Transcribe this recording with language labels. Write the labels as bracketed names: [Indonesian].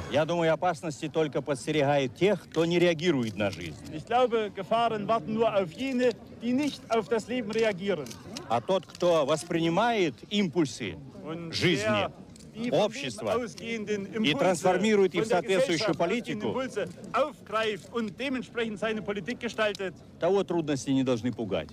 [Russian] Я думаю, опасности только подстерегают тех, кто не реагирует на жизнь. [German] Ich glaube, Gefahren warten nur auf jene, die nicht auf das Leben reagieren. [Russian] А тот, кто воспринимает импульсы жизни, общества и трансформирует их в соответствующую политику, [German] aufgreift und dementsprechend seine Politik gestaltet, [Russian] того трудности не должны пугать.